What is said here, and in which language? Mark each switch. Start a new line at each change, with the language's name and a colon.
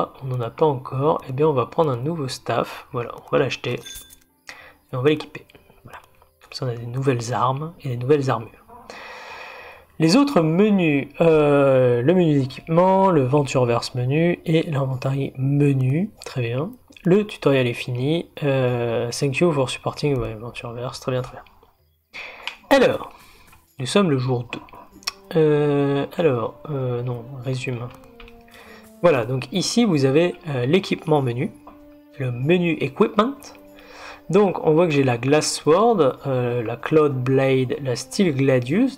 French: On n'en a pas encore, et eh bien on va prendre un nouveau staff, voilà, on va l'acheter et on va l'équiper. Voilà. Comme ça on a des nouvelles armes et des nouvelles armures. Les autres menus, le menu d'équipement, le Ventureverse menu et l'inventaire menu, très bien. Le tutoriel est fini.
English: Thank you for supporting Ventureverse.
French: Très bien, très bien. Alors, nous sommes le jour 2. Non, résumé. Voilà, donc ici, vous avez l'équipement menu, le menu equipment. Donc, on voit que j'ai la Glass Sword, la Cloud Blade, la Steel Gladius.